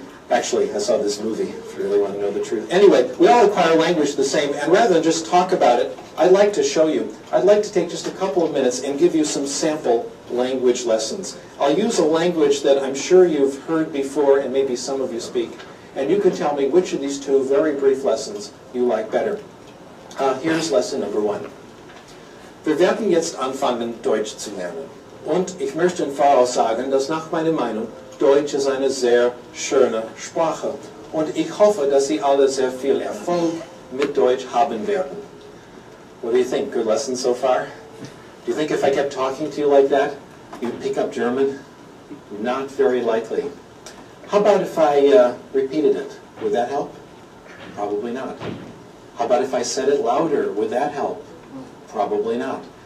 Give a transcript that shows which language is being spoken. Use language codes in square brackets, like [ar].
[en] Actually, I saw this movie, if you really want to know the truth. Anyway, we all acquire language the same, and rather than just talk about it, I'd like to show you. I'd like to take just a couple of minutes and give you some sample language lessons. I'll use a language that I'm sure you've heard before, and maybe some of you speak, and you can tell me which of these two very brief lessons you like better. Here's lesson number one. [de] Wir werden jetzt anfangen, Deutsch zu lernen. Und ich möchte im Voraus sagen, dass nach meiner Meinung Deutsch ist eine sehr schöne Sprache. Und ich hoffe, dass Sie alle sehr viel Erfolg mit Deutsch haben werden. [en] What do you think? Good lesson so far? Do you think if I kept talking to you like that, you'd pick up German? Not very likely. How about if I repeated it? Would that help? Probably not. How about if I said it louder? Would that help? Probably not.